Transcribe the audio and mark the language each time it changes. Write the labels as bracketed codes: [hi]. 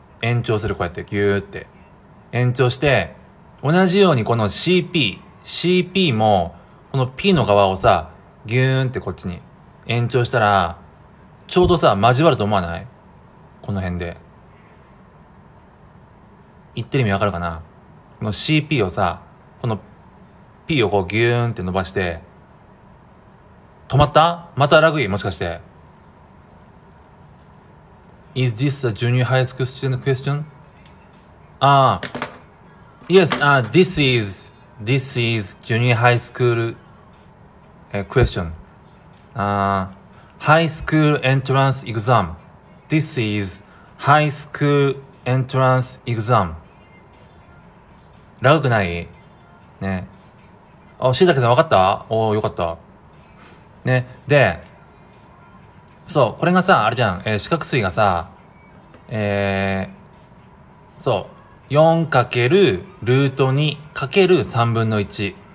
[ja] 延長する、こうやってギューって。延長して、同じようにこの CP、CP も、この P の側をさ、ギューンってこっちに延長したら、ちょうどさ、交わると思わない？この辺で。言ってる意味わかるかな？この CP をさ、この P をこうギューンって伸ばして、止まった？またラグイ、もしかして。 [en] Is this a junior high school student question? Yes, this is junior high school question. High school entrance exam. This is high school entrance exam. [ja] ラグない？ね。あ、しいたけさん分かった？おー、よかった。ね。で、そう、これがさ、あれじゃん、四角錐がさ、そう、4×ルート2×3分の1。